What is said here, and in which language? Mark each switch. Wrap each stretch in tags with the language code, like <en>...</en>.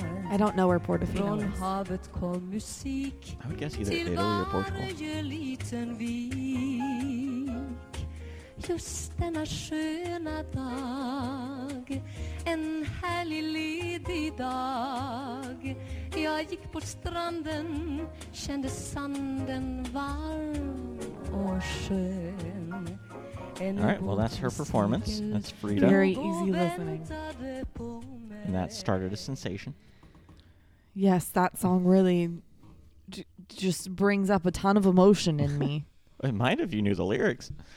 <en>I don't know where Portofino is. I would guess either Italy or Portugal.</en> <sv>Just denna sköna dag, en härlig ledig dag. Jag gick på stranden, kände sanden varm och skön.</sv> <en>All right, well, that's her performance. That's Frida. Very easy listening. And that started a sensation. Yes, that song really just brings up a ton of emotion in me. It might if you knew the lyrics.</en>